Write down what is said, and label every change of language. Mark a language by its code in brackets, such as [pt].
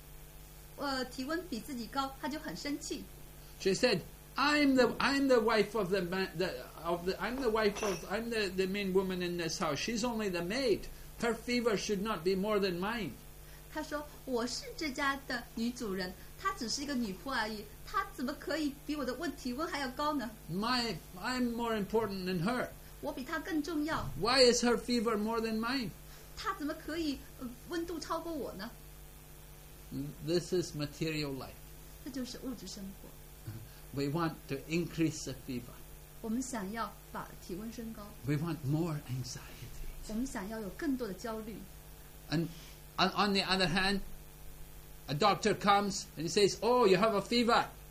[zh] 但是这个商人的妻子知道自己的仆人竟然体温比自己高，她就很生气。 [en] She said, I'm the main woman in this house. She's only the maid. Her fever should not be more than mine. [zh] 她说，我是这家的女主人。她只是一个女仆而已，她怎么可以比我的体温还要高呢？ [en] I'm more important than her. [zh] 我比她更重要。 [en] Why is her fever more than mine? [zh] 她怎么可以温度超过我呢？ [en] This is material life. [zh] 这就是物质生活。 [en] We want to increase the fever. [zh] 我们想要把体温升高。 [en] We want more anxiety. [zh] 我们想要有更多的焦虑。 [en] And on the other hand, a doctor comes and he says, oh, you have a fever.